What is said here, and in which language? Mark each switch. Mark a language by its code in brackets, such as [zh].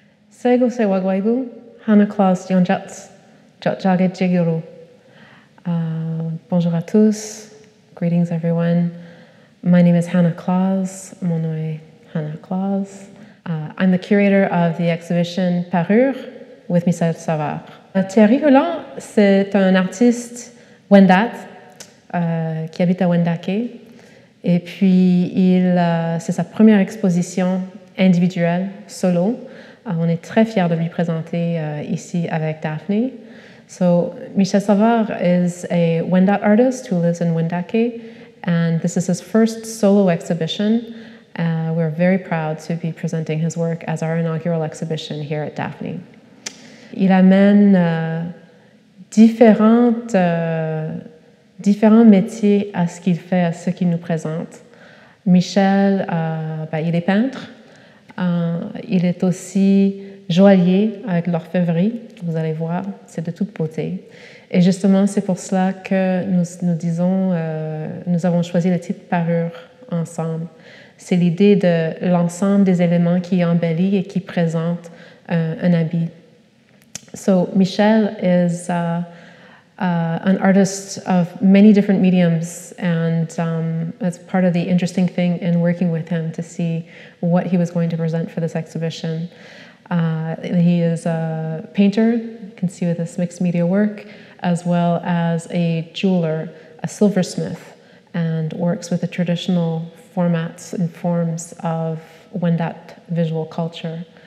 [moh] Sego se wagwaibu, Hannah Claus dionjats, jotjaga jigiru. [fr] Bonjour à tous, [en] greetings everyone. My name is Hannah Claus, [fr] mon nom est Hannah Claus. [en] I'm the curator of the exhibition Parure with Michel Savard. [fr] Thierry Roland, c'est un artiste Wendat, qui habite à Wendake. Et puis, c'est sa première exposition individuelle, solo. On est très fiers de lui présenter ici avec Daphne. [en] So, Michel Savard is a Wendat artist who lives in Wendake, and this is his first solo exhibition. We're very proud to be presenting his work as our inaugural exhibition here at Daphne. [fr] Il amène différents métiers à ce qu'il fait, à ce qu'il nous présente. Michel, il est peintre. Il est aussi joaillier avec l'orfèvrerie. Vous allez voir, c'est de toute beauté. Et justement, c'est pour cela que nous avons choisi le titre Parure ensemble. C'est l'idée de l'ensemble des éléments qui embellit et qui présente un habit. [en] So, Michel is an artist of many different mediums, and that's part of the interesting thing in working with him to see what he was going to present for this exhibition. He is a painter, you can see with this mixed media work, as well as a jeweler, a silversmith, and works with the traditional formats and forms of Wendat visual culture.